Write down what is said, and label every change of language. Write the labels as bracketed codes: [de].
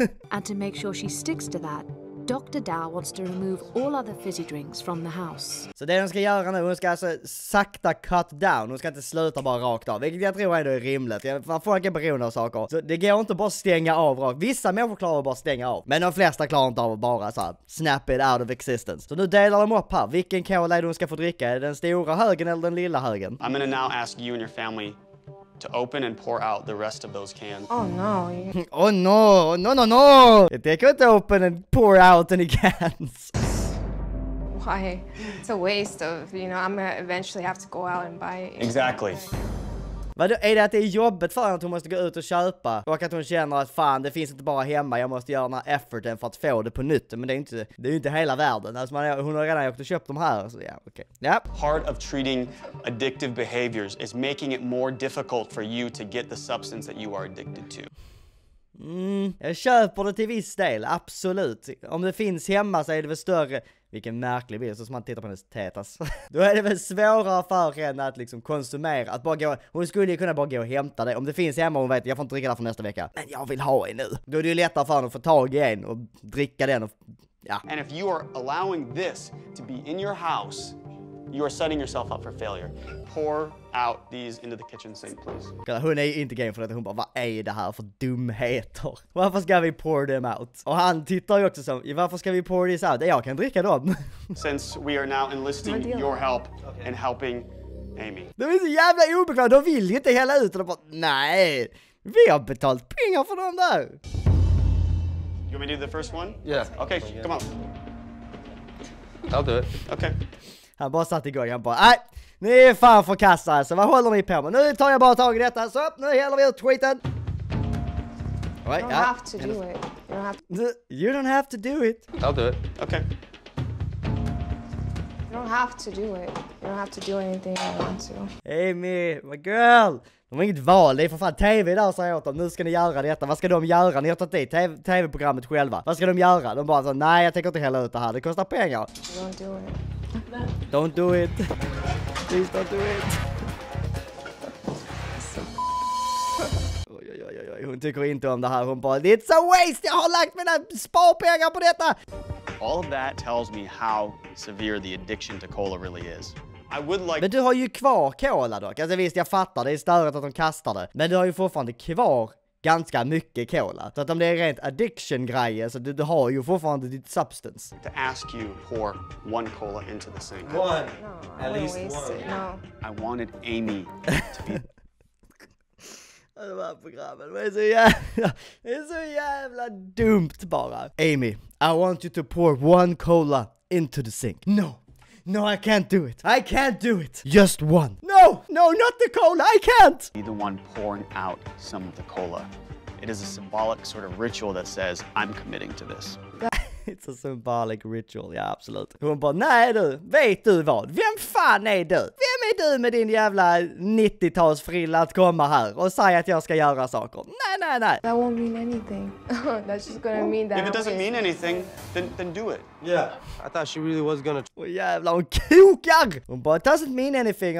[en] And to make sure she sticks to that, Dr. Dao wants to remove all other fizzy drinks from the house. [sv] Så det hon ska göra nu, hon ska alltså sakta [en] cut down. [sv] Hon ska inte sluta bara rakt av, vilket jag tror ändå är rimligt. Folk är beroende av saker. Så det går inte bara stänga av rakt. Vissa människor klarar bara stänga av, men de flesta klarar inte av att bara så här, [en] snap it out of existence. [sv] Så nu delar de upp här. Vilken cola är det hon ska få dricka? Är det den stora högen eller den lilla högen? [en] I'm gonna now ask you and your family to open and pour out the rest of those cans. Oh no. Oh no. No, no, no. They couldn't open and pour out any cans. Why? It's a waste of, you know, I'm gonna eventually have to go out and buy it. Exactly. [sv] Vadå, är det att det är jobbigt för henne att hon måste gå ut och köpa? Och att hon känner att fan, det finns inte bara hemma, jag måste göra den här efforten för att få det på nytt. Men det är inte hela världen. Alltså man, hon har redan åkt och köpt dem här. Så ja, okej. Ja. [en] Part of treating addictive behaviors is making it more difficult for you to get the substance that you are addicted to. [sv] Mm, jag köper det till viss del, absolut. Om det finns hemma så är det väl större... Vilken märklig bild, så som man tittar på hennes tätas. Då är det väl svårare för henne att liksom konsumera. Att bara gå, hon skulle ju kunna bara gå och hämta det. Om det finns hemma, hon vet, jag får inte dricka det för nästa vecka. Men jag vill ha en nu. Då är det ju lättare för henne att få tag i en och dricka den. Och, ja. [en] And if you are allowing this to be in your house, you are setting yourself up for failure. Pour out these into the kitchen sink, please. [sv] Hon är inte game för detta. Hon bara, vad är det här för dumheter? Varför ska vi [en] pour them out? [sv] Och han tittar ju också som, varför ska vi [en] pour these out? [sv] Jag kan dricka dem. [en] Since we are now enlisting your help and helping Amy. [sv] De är så jävla obekväma. De vill ju inte hela ut. Och de bara, nej. Vi har betalt pengar för dem där. [en] You want me to do the first one? Yeah. Okay, come on. I'll do it. Okay. [sv] Han bara satt igång, han bara, nej, ni är fan för kassa alltså, vad håller ni på med? Nu tar jag bara tag i detta, så nu häller vi ut tweeten. [en] You don't have to do it. You don't have to do it. I'll do it. Okay. You don't have to do it. You don't have to do anything I want to. Amy, my girl. [sv] De har inget val, det är för fan tv där, säger jag åt dem. Nu ska ni göra detta, vad ska de göra? Ni har tagit i tv-programmet själva. Vad ska de göra? De bara så, nej, jag tänker inte hälla ut det här, det kostar pengar. [en] You don't do it. Don't do it. Please don't do it. [sv] Oj. Hon tycker inte om det här. Hon bara, [en] it's a waste. [sv] Jag har lagt mina sparpengar på detta. [en] All of that tells me how severe the addiction to cola really is. I would like... [sv] Men du har ju kvar cola dock. Alltså visst, jag fattar. Det är större att de kastar det. Men du har ju fortfarande kvar ganska mycket cola. Så att om det är rent addiction grejer så du har ju fortfarande ditt substance. [en] To ask you pour one cola into the sink. One. No, at least one. No. I wanted Amy to be [sv] det var programmet. Det är så jävla, det är så jävla dumt bara. [en] Amy, I want you to pour one cola into the sink. No. No, I can't do it. I can't do it. Just one. No, no, not the cola. I can't. Be the one pouring out some of the cola. It is a symbolic sort of ritual that says, I'm committing to this. It's a symbolic ritual, [sv] ja, absolut. Hon bara, nej du, vet du vad? Vem fan är du? Vem är du med din jävla 90-tals frilla att komma här och säga att jag ska göra saker? Nej, nej, nej. [en] That won't mean anything. That's just gonna mean that. If it doesn't mean anything, then do it. Yeah, I thought she really was gonna... [sv] Åh, jävla, hon kokar! Hon bara, [en] it doesn't mean anything.